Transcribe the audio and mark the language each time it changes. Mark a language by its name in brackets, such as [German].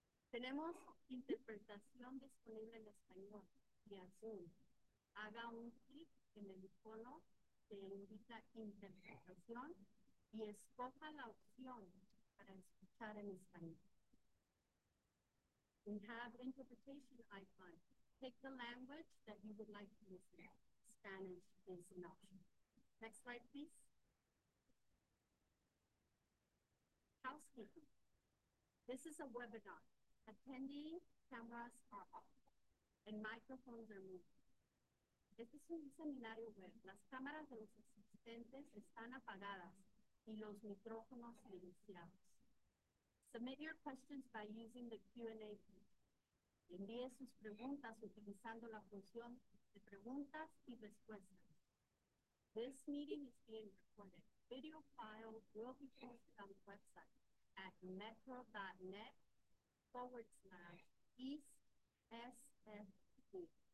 [Spanish] Tenemos interpretación disponible en español y azul. Haga un clic en el icono que indica interpretación y escoja la opción para escuchar en español. [English] We have interpretation icon. Pick the language that you would like to listen to. Spanish is an option. Next slide, please. Housekeeping. This is a webinar. Attendee cameras are off and microphones are moving. [Spanish] Este es un seminario web. Las cámaras de los asistentes están apagadas y los micrófonos silenciados. [English] Submit your questions by using the Q&A feature. [Spanish] Envíe sus preguntas utilizando la función de preguntas y respuestas. [English] This meeting is being recorded. Video file will be posted on the website at metro.net/EastSFP.